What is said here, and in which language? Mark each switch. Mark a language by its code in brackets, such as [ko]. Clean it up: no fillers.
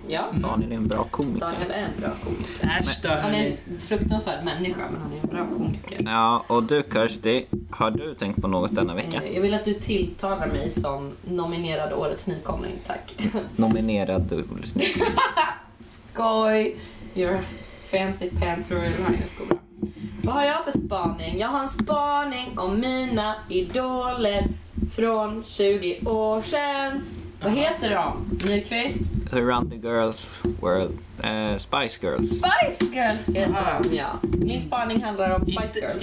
[sv] Ja. Daniel är en bra komiker. Daniel är en bra komiker. Äsch, då, han är en fruktansvärd människa, men han är en bra komiker. Ja, och du Kirsty, har du tänkt på något denna vecka? Jag vill att du tilltalar mig som nominerad årets nykomling, tack. Nominerad du årets nykomling. Skoj! [en] Your fancy pants are in high school. [sv] Vad har jag för spaning? Jag har en spaning om mina idoler från 20 år sedan. Vad heter de? Nyqvist? [en] Around the Girls World. Spice Girls. [sv] Spice Girls heter de, ja. Min spaning handlar om Spice Girls.